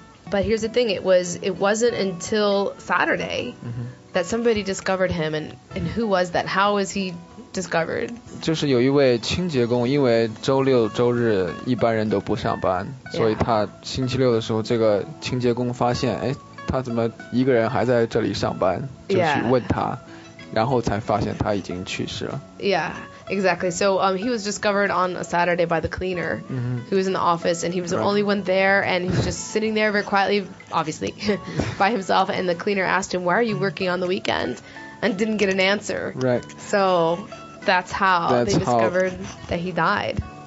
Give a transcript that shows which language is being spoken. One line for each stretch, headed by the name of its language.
English: But here's the thing, it wasn't until Saturday that somebody discovered him, and who was that? How was he discovered?
Chinese: 就是有一位清洁工，因为周六周日一般人都不上班，所以他星期六的时候，这个清洁工发现，哎，他怎么一个人还在这里上班？就去问他，然后才发现他已经去世了。
English: Yeah. Exactly. So he was discovered on a Saturday by the cleaner who was in the office, and he was the only one there, and he was just sitting there very quietly, obviously, by himself, and the cleaner asked him, why are you working on the weekend? And didn't get an answer. Right. So that's how they discovered that he died.